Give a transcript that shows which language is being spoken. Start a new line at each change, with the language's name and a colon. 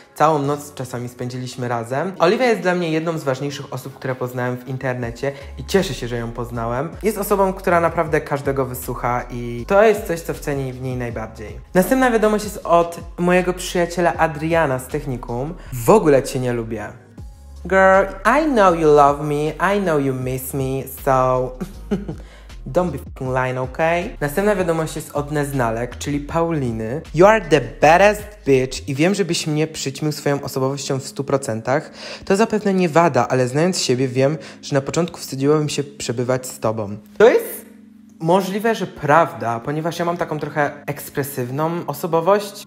Polish: Całą noc czasami spędziliśmy razem. Oliwia jest dla mnie jedną z ważniejszych osób, które poznałem w internecie i cieszę się, że ją poznałem. Jest osobą, która naprawdę każdego wysłucha i to jest coś, co cenię w niej najbardziej. Następna wiadomość jest od mojego przyjaciela Adriana z Technikum. W ogóle cię nie lubię.
English: Girl, I know you love me, I know you miss me, so don't be f***ing lying, okay?
Polish: Następna wiadomość jest od Neznalek, czyli Pauliny.
English: You are the baddest bitch
Polish: i wiem, żebyś mnie przyćmił swoją osobowością w 100%. To zapewne nie wada, ale znając siebie wiem, że na początku wstydziłabym się przebywać z tobą. To jest możliwe, że prawda, ponieważ ja mam taką trochę ekspresywną osobowość.